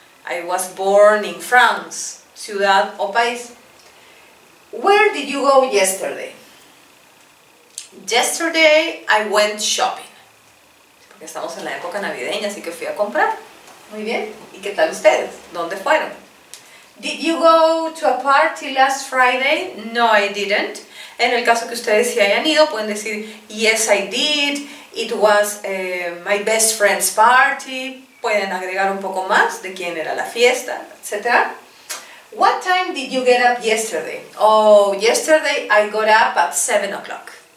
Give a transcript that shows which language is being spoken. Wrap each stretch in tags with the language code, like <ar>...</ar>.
<en>I was born in France.</en> <es>Ciudad o país.</es> <en>Where did you go yesterday? Yesterday I went shopping.</en> <es>Porque estamos en la época navideña, así que fui a comprar. Muy bien. ¿Y qué tal ustedes? ¿Dónde fueron?</es> <en>Did you go to a party last Friday? No, I didn't.</en> <es>En el caso que ustedes sí hayan ido, pueden decir,</es> <en>yes, I did. It was my best friend's party.</en> <es>Pueden agregar un poco más de quién era la fiesta, etc.</es> <en>What time did you get up yesterday? Oh, yesterday I got up at 7 o'clock.</en>